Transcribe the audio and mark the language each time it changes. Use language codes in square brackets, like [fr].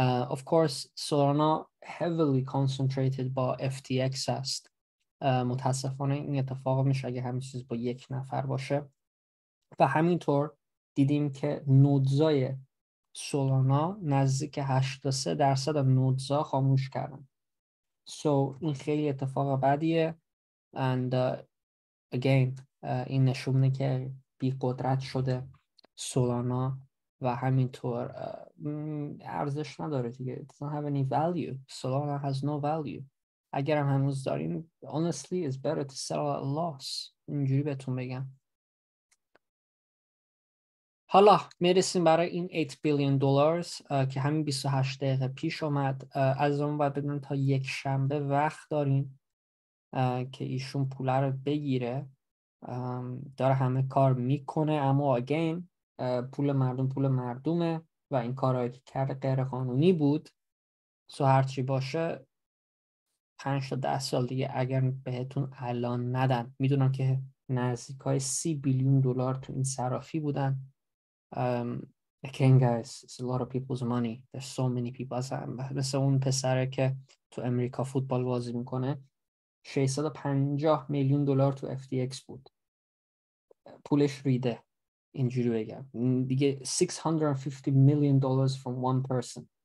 [en] Of course Solana heavily concentrated [fa] با FTX است. متاسفانه این اتفاق میشه اگه همین چیز با یک نفر باشه. و همینطور دیدیم که نودزای سولانا نزدیک 83% نودزا خاموش کردن. سو این خیلی اتفاق بدیه. [en] And again [fa] این نشون میده که بی قدرت شده سولانا و همینطور ارزش نداره دیگه. [en] It doesn't have any value. Solana has no value. [fa] اگرم هنوز دارین [en] honestly it's better to sell at a loss. [fa] اینجوری بهتون بگم. حالا میرسیم برای این 8 بیلیون دلارز که همین 28 دقیقه پیش اومد. از اون بعد بدون تا یک شنبه وقت دارین که ایشون پول رو بگیره. داره همه کار میکنه اما again پول مردم پول مردمه و این کارهایی که کرده غیر قانونی بود. سو هرچی باشه 5 تا 10 سال دیگه اگر بهتون الان ندن، میدونم که نزدیکای 30 بیلیون دلار تو این صرافی بودن. [en] Again guys, it's a lot of people's money. There's so many people. [fa] مثل اون پسره که تو امریکا فوتبال بازی میکنه 650 میلیون دلار تو FTX بود پولش ریده. اینجوری بگم دیگه 650 میلیون دلار [en] from one person.